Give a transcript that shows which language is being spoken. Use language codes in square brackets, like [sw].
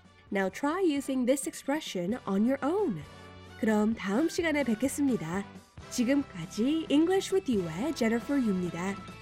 [en] Now try using this expression on your own. [ko] 그럼 다음 시간에 뵙겠습니다. 지금까지 English with you의 Jennifer Yu입니다.